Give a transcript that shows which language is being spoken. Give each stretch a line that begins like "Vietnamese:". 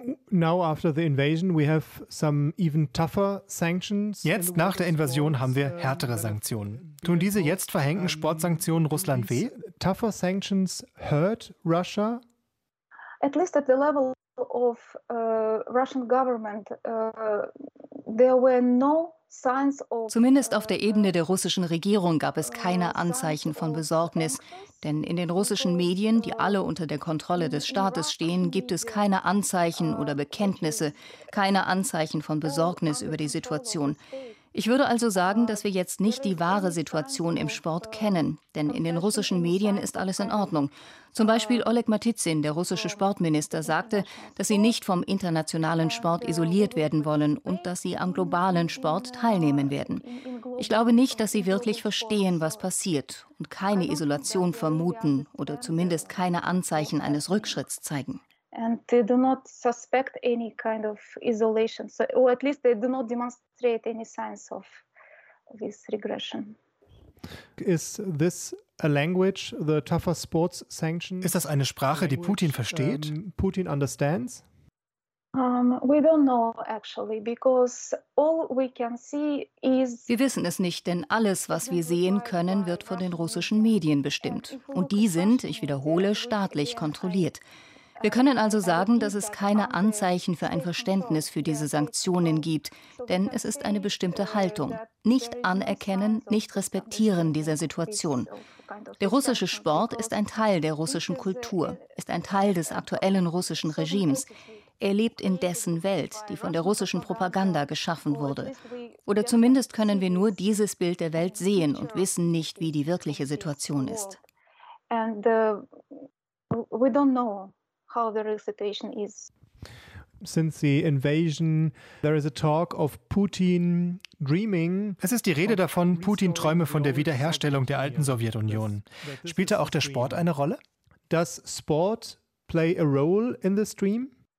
English: Now after the invasion we have some even tougher sanctions.
German: Jetzt nach der Invasion haben wir härtere Sanktionen. Tun diese jetzt verhängten Sportsanktionen Russland weh?
English: Tougher sanctions hurt Russia? At least at the level of Russian government there were no signs of.
German: Zumindest auf der Ebene der russischen Regierung gab es keine Anzeichen von Besorgnis. Denn in den russischen Medien, die alle unter der Kontrolle des Staates stehen, gibt es keine Anzeichen oder Bekenntnisse, keine Anzeichen von Besorgnis über die Situation. Ich würde also sagen, dass wir jetzt nicht die wahre Situation im Sport kennen. Denn in den russischen Medien ist alles in Ordnung. Zum Beispiel Oleg Matizin, der russische Sportminister, sagte, dass sie nicht vom internationalen Sport isoliert werden wollen und dass sie am globalen Sport teilnehmen werden. Ich glaube nicht, dass sie wirklich verstehen, was passiert und keine Isolation vermuten oder zumindest keine Anzeichen eines Rückschritts zeigen.
English: And they do not suspect any kind of isolation, so, or at least they do not demonstrate any signs of this regression. Is this a language, the tougher sports sanctions?
German: Ist das eine Sprache, die Putin versteht?
English: Putin understands? We don't know actually, because all we can see is.
German: Wir wissen es nicht, denn alles, was wir sehen können, wird von den russischen Medien bestimmt. Und die sind, ich wiederhole, staatlich kontrolliert. Wir können also sagen, dass es keine Anzeichen für ein Verständnis für diese Sanktionen gibt, denn es ist eine bestimmte Haltung. Nicht anerkennen, nicht respektieren dieser Situation. Der russische Sport ist ein Teil der russischen Kultur, ist ein Teil des aktuellen russischen Regimes. Er lebt in dessen Welt, die von der russischen Propaganda geschaffen wurde. Oder zumindest können wir nur dieses Bild der Welt sehen und wissen nicht, wie die wirkliche Situation ist.
English: We don't know how the recitation is. Since the invasion, there is a talk of Putin dreaming.
German: Es ist die Rede davon, Putin träume von der Wiederherstellung der alten Sowjetunion. Spielt da auch der Sport eine Rolle?
English: Does sport play a role in this dream?